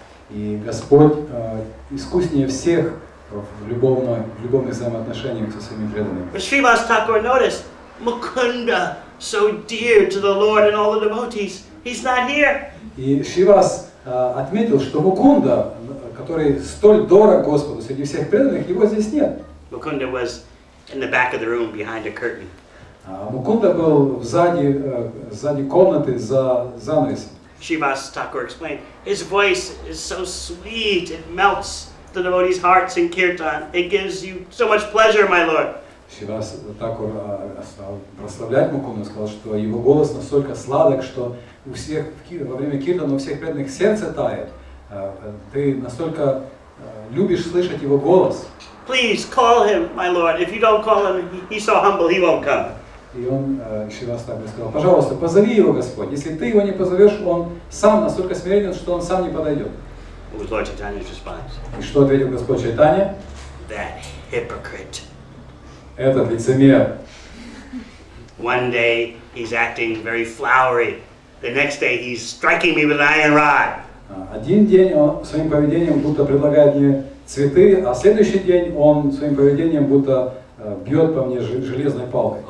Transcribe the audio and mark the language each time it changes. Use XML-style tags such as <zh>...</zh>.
<ru>И Господь искуснее всех в любовных взаимоотношениях со своими преданными.</ru> <en>Шривас Такур noticed Mukunda so dear to the Lord and all the devotees. He's not here.</en> <ru>И Шивас отметил, что Мукунда, который столь дорог Господу среди всех преданных, его здесь нет.</ru> <en>Mukunda was in the back of the room behind a curtain.</en> <ru>Мукунда был сзади комнаты за занавесом.</ru> <en>Шивас Такур explained, his voice is so sweet, it melts the devotees' hearts in kirtan. It gives you so much pleasure, my lord.</en> <ru>Шивас Такур стал прославлять Мукунду, сказал, что его голос настолько сладок, что у всех во время киртана у всех преданных сердце тает. Ты настолько любишь слышать его голос.</ru> <en>Please call him, my lord. If you don't call him, he's so humble, he won't come.</en> <ru>И он Шивас Такур сказал, пожалуйста, позови его, Господь. Если ты его не позовешь, он сам настолько смиренен, что он сам не подойдет.</ru> <en>What was Lord Chaitanya's response?</en> <ru>И что ответил Господь Чайтанья?</ru> <en>That hypocrite.</en> <ru>Этот лицемер.</ru> <en>One day he's acting very flowery. The next day he's striking me with an iron rod.</en> <ru>Один день он своим поведением будто предлагает мне цветы, а следующий день он своим поведением будто бьет по мне железной палкой.</ru>